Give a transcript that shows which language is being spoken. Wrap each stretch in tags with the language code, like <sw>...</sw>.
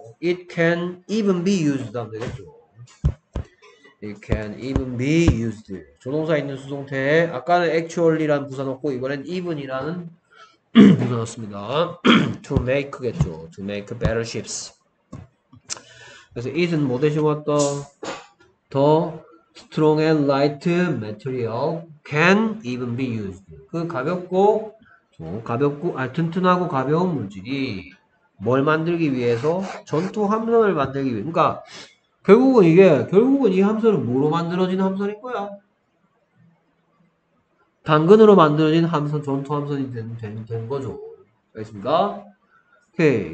<en>It can even be used</en> <ko>하면 되겠죠.</ko> <en>It can even be used.</en> <ko>조동사 있는 수동태에 아까는 actually란 부사 넣고 이번엔 even이라는 부사 넣습니다.</ko> <en>To make겠죠. To make better ships.</en> <ko>그래서 it은 뭐 대신 왔다?</ko> <en>더 strong and light material can even be used.</en> <ko>그 튼튼하고 가벼운 물질이 뭘 만들기 위해서 전투 함선을 만들기 위해. 그러니까 결국은 이 함선은 뭐로 만들어진 함선인 거야? 당근으로 만들어진 함선, 전투 함선이 된 거죠. 알겠습니까? 오케이.</ko>